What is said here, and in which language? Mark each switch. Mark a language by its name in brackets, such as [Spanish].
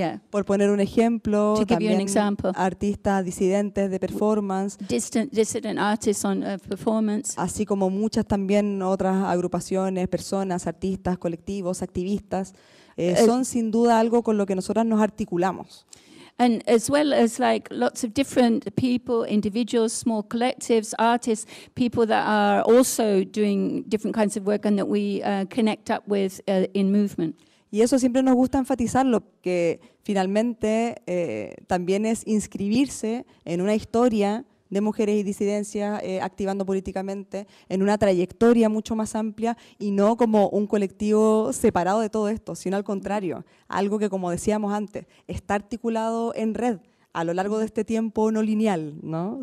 [Spanish] por poner un ejemplo, también artistas disidentes de performance, [English] dissident artists on performance, [Spanish] así como muchas también otras agrupaciones, personas, artistas, colectivos, activistas, son sin duda algo con lo que nosotras nos articulamos. [English] And as well as like lots of different people, individuals, small collectives, artists, people that are also doing different kinds of work and that we connect up with in movement. [Spanish] Y eso siempre nos gusta enfatizarlo, que finalmente también es inscribirse en una historia de mujeres y disidencias activando políticamente, en una trayectoria mucho más amplia y no como un colectivo separado de todo esto, sino al contrario, algo que, como decíamos antes, está articulado en red a lo largo de este tiempo no lineal, ¿no?